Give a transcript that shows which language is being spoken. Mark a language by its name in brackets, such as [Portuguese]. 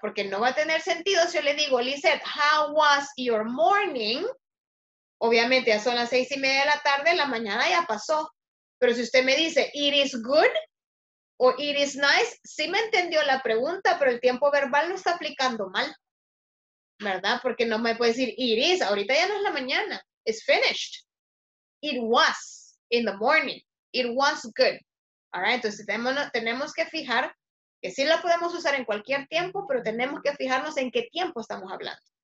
[Spanish] Porque no va a tener sentido si yo le digo, Lizette, [English] how was your morning? [Spanish] Obviamente ya son las 6:30 de la tarde, la mañana ya pasó. Pero si usted me dice, [English] it is good [Spanish] o [English] it is nice, [Spanish] sí me entendió la pregunta, pero el tiempo verbal lo está aplicando mal, ¿verdad? Porque no me puede decir, it is, ahorita ya no es la mañana, [English] it's finished. It was in the morning, it was good. [Spanish] All right, entonces tenemos que fijar que sí la podemos usar en cualquier tiempo, pero tenemos que fijarnos en qué tiempo estamos hablando.